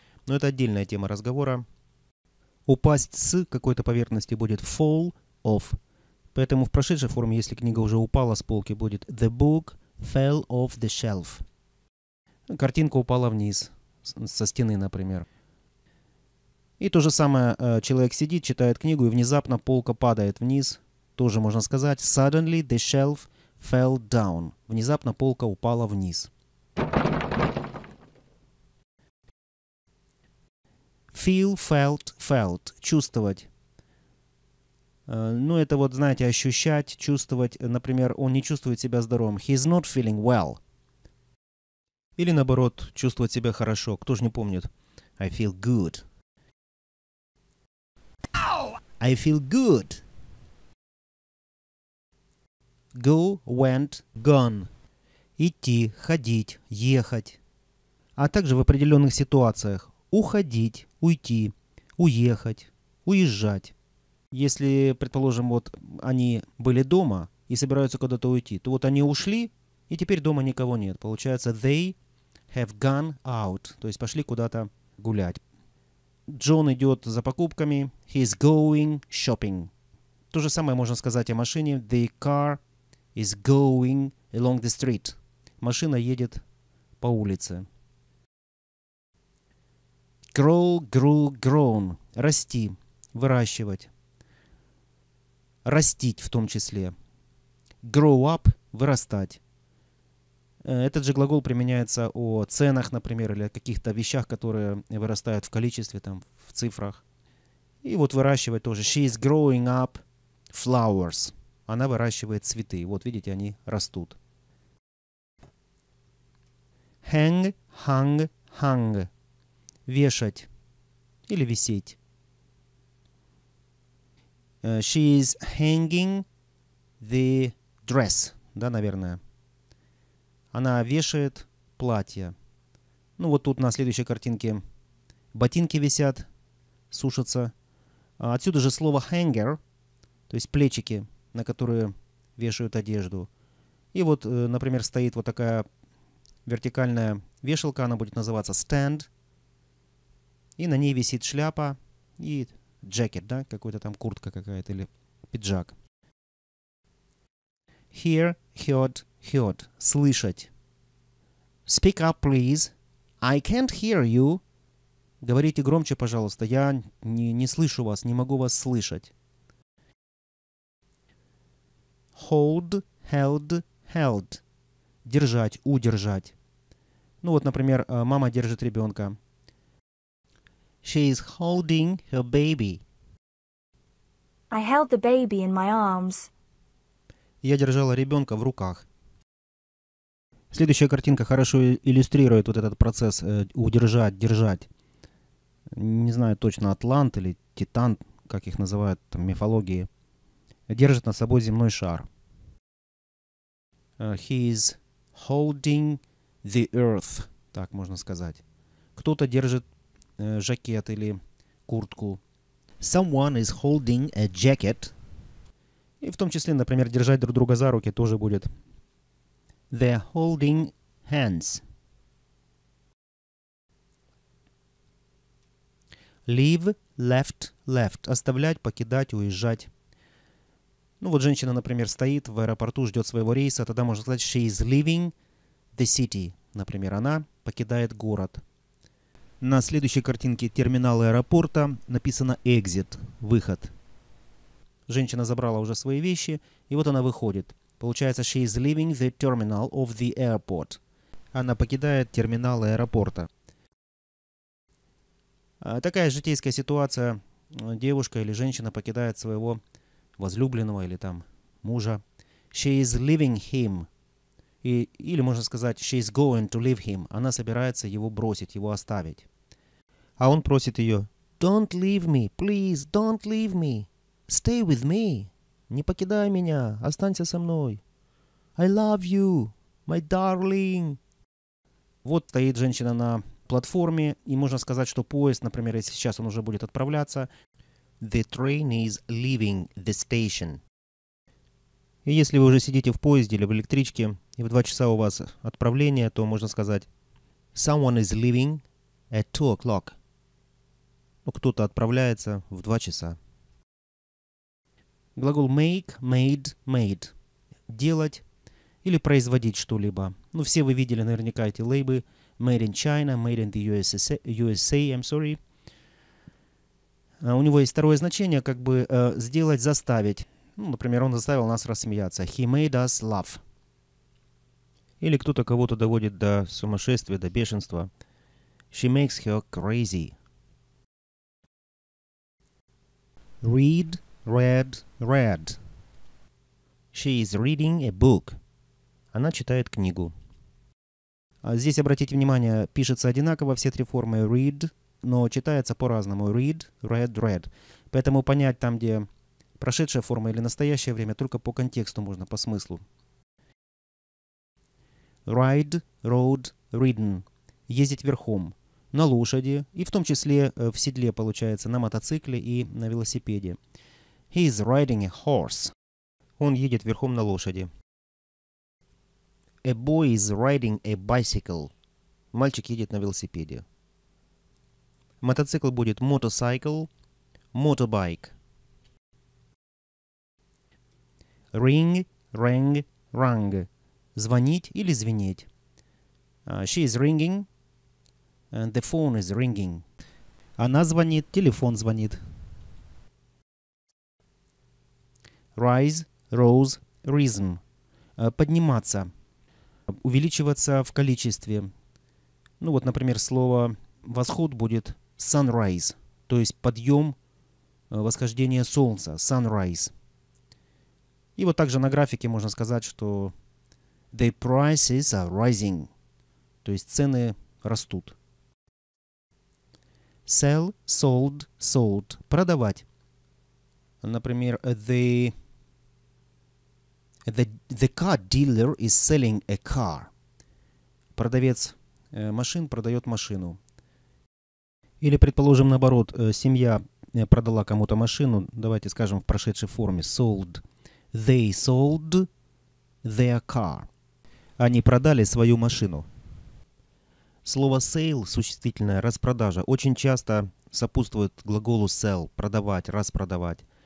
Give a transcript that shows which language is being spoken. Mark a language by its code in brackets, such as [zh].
[ru] Но это отдельная тема разговора. Упасть с какой-то поверхности будет [en] «fall off». [ru] Поэтому в прошедшей форме, если книга уже упала с полки, будет [en] «the book fell off the shelf». [ru] Картинка упала вниз. Со стены, например. И то же самое, человек сидит, читает книгу, и внезапно полка падает вниз. Тоже можно сказать [en] «Suddenly the shelf fell down». [ru] Внезапно полка упала вниз. [en] Feel, felt, felt. [ru] Чувствовать. Ну, это вот, знаете, ощущать, чувствовать. Например, он не чувствует себя здоровым. [en] He's not feeling well. [ru] Или наоборот, чувствовать себя хорошо. Кто же не помнит? [en] I feel good. I feel good. Go, went, gone. [ru] Идти, ходить, ехать. А также в определенных ситуациях. Уходить, уйти, уехать, уезжать. Если, предположим, вот они были дома и собираются куда-то уйти, то вот они ушли, и теперь дома никого нет. Получается, they [en] have gone out, [ru] то есть пошли куда-то гулять. Джон идет за покупками. [en] He is going shopping. [ru] То же самое можно сказать о машине. [en] The car is going along the street. [ru] Машина едет по улице. [en] Grow, grew, grown. [ru] Расти, выращивать. Растить в том числе. [en] Grow up, [ru] вырастать. Этот же глагол применяется о ценах, например, или о каких-то вещах, которые вырастают в количестве, там, в цифрах. И вот выращивать тоже. [en] She is growing up flowers. [ru] Она выращивает цветы. Вот, видите, они растут. [en] Hang, hung, hung. [ru] Вешать или висеть. [en] She is hanging the dress. [ru] Да, наверное. Она вешает платье. Ну, вот тут на следующей картинке ботинки висят, сушатся. Отсюда же слово hanger, то есть плечики, на которые вешают одежду. И вот, например, стоит вот такая вертикальная вешалка, она будет называться stand. И на ней висит шляпа и jacket, да, какой-то там куртка какая-то или пиджак. [en] Hear, heard, heard. [ru] Слышать. [en] Speak up, please. I can't hear you. [ru] Говорите громче, пожалуйста. Я не слышу вас, не могу вас слышать. [en] Hold, held, held. [ru] Держать, удержать. Ну вот, например, мама держит ребенка. [en] She is holding her baby. I held the baby in my arms. [ru] Я держала ребенка в руках. Следующая картинка хорошо иллюстрирует вот этот процесс удержать, держать. Не знаю точно, атлант или титан, как их называют там, в мифологии. Держит на собой земной шар. He is holding the earth. Так можно сказать. Кто-то держит жакет или куртку. [en] Someone is holding a jacket. [ru] И в том числе, например, держать друг друга за руки тоже будет. [en] They're holding hands. Leave, left, left. [ru] Оставлять, покидать, уезжать. Ну вот женщина, например, стоит в аэропорту, ждет своего рейса. Тогда можно сказать, [en] she is leaving the city. [ru] Например, она покидает город. На следующей картинке терминал аэропорта написано exit, выход. Женщина забрала уже свои вещи, и вот она выходит. Получается, [en] she is leaving the terminal of the airport. [ru] Она покидает терминал аэропорта. Такая житейская ситуация. Девушка или женщина покидает своего возлюбленного или там мужа. [en] She is leaving him. [ru] И, или можно сказать, [en] she is going to leave him. [ru] Она собирается его бросить, его оставить. А он просит ее. [en] Don't leave me, please, don't leave me. Stay with me. [ru] Не покидай меня. Останься со мной. [en] I love you, my darling. [ru] Вот стоит женщина на платформе, и можно сказать, что поезд, например, если сейчас он уже будет отправляться. [en] The train is leaving the station. [ru] И если вы уже сидите в поезде или в электричке, и в 2 часа у вас отправление, то можно сказать [en] someone is leaving at 2 o'clock. [ru] Ну, кто-то отправляется в 2 часа. Глагол [en] make, made, made. [ru] Делать или производить что-либо. Ну, все вы видели наверняка эти лейбы. [en] Made in China, made in the USA, I'm sorry. [ru] У него есть второе значение, как бы сделать, заставить. Ну, например, он заставил нас рассмеяться. [en] He made us laugh. [ru] Или кто-то кого-то доводит до сумасшествия, до бешенства. [en] She makes her crazy. Read. Read, read. She is reading a book. [ru] Она читает книгу. А здесь обратите внимание, пишется одинаково все три формы read, но читается по-разному. [en] Read, read, read. [ru] Поэтому понять там, где прошедшая форма или настоящее время, только по контексту можно, по смыслу. [en] Ride, rode, ridden. [ru] Ездить верхом, на лошади, и в том числе в седле, получается, на мотоцикле и на велосипеде. [en] He is riding a horse. [ru] Он едет верхом на лошади. [en] A boy is riding a bicycle. [ru] Мальчик едет на велосипеде. Мотоцикл будет motorcycle, [en] motorbike. Ring, rang, rang. [ru] Звонить или звенеть. [en] She is ringing and the phone is ringing. [ru] Она звонит, телефон звонит. [en] Rise, rose, risen. [ru] Подниматься, увеличиваться в количестве. Ну вот, например, слово «восход» будет sunrise, то есть подъем, восхождение солнца, sunrise. И вот также на графике можно сказать, что [en] the prices are rising, [ru] то есть цены растут. [en] Sell, sold, sold. [ru] Продавать. Например, [en] The car dealer is selling a car. [ru] Продавец машин продает машину. Или, предположим, наоборот, семья продала кому-то машину. Давайте скажем в прошедшей форме sold. [en] They sold their car. [ru] Они продали свою машину. Слово sale, существительное, распродажа, очень часто сопутствует глаголу sell, продавать, распродавать.